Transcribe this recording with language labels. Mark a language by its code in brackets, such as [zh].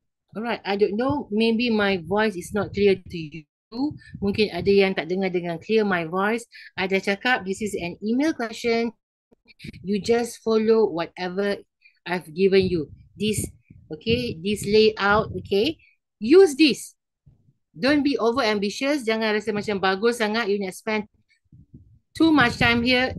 [en] Alright, I don't know. Maybe my voice is not clear to you. [ms] Mungkin ada yang tak dengar dengan [en] clear my voice. I [ms] dah cakap, [en] this is an email question. You just follow whatever I've given you. This, okay, this layout, okay. Use this. Don't be over ambitious. [ms] Jangan rasa macam bagus sangat. [en] You need to spend too much time here.